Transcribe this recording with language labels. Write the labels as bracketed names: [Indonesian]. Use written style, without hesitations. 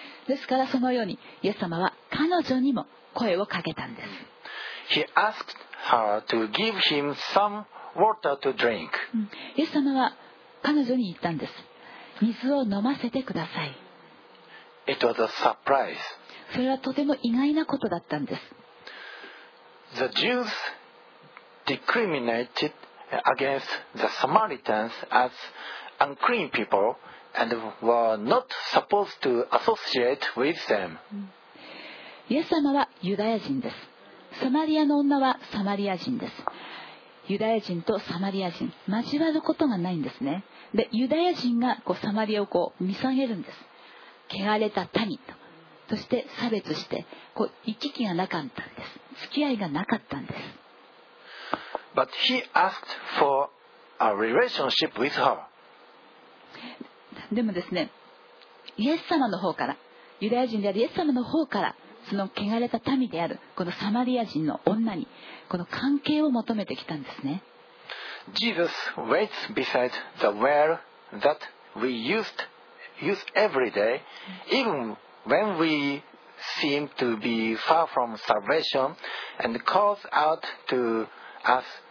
[Japanese] ですからそのように、イエス様は彼女にも声をかけたんです。 [English] He asked her to give him some water to drink. [Japanese] イエス様は彼女に言ったんです。水を飲ませてください。 [English] It was a surprise. [Japanese] それはとても意外なことだったんです。 [English] The Jews discriminated against the Samaritans as unclean people and were not supposed to associate with them. [Japanese] イエス様はユダヤ人です。サマリアの女はサマリア人です。ユダヤ人とサマリア人、交わることがないんですね。でユダヤ人がこうサマリアをこう見下げるんです。汚れた民と、そして差別してこう行き来がなかったんです。付き合いがなかったんです。 [English] But he asked for a relationship with her. [Japanese] でもですね、イエス様の方から、ユダヤ人であるイエス様の方から、その汚れた民であるこのサマリア人の女にこの関係を求めてきたんですね。 [English] Jesus waits beside the well that we use every day, even when we seem to be far from salvation, and calls out to us